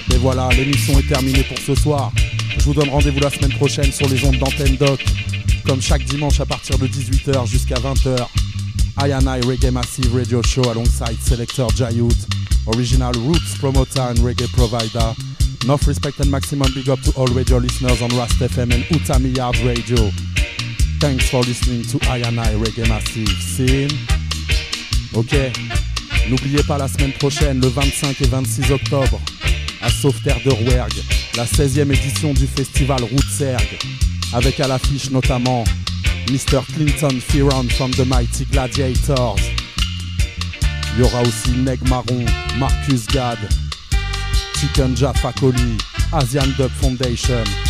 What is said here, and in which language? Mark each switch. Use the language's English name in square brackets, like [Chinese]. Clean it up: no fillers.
[French] Et voilà, l'émission est terminée pour ce soir. Je vous donne rendez-vous la semaine prochaine sur les ondes d'Antenne Doc. Comme chaque dimanche à partir de 18h jusqu'à 20h. [English] I and I Reggae Massive Radio Show alongside Selector Jayout, Original Roots Promoter and Reggae Provider. North respect and maximum big up to all radio listeners on Rast FM and Utami Yard Radio. Thanks for listening to I and I Reggae Massive. See you. [French] Ok, n'oubliez pas la semaine prochaine, le 25 et 26 octobre, à Sauveterre de Rouergue, la 16e édition du festival Rootsergue, avec à l'affiche notamment Mr. Clinton Fearon from the Mighty Gladiators. Il y aura aussi Neg Marron, Marcus Gad, Chicken Jaffa Coli, Asian Dub Foundation.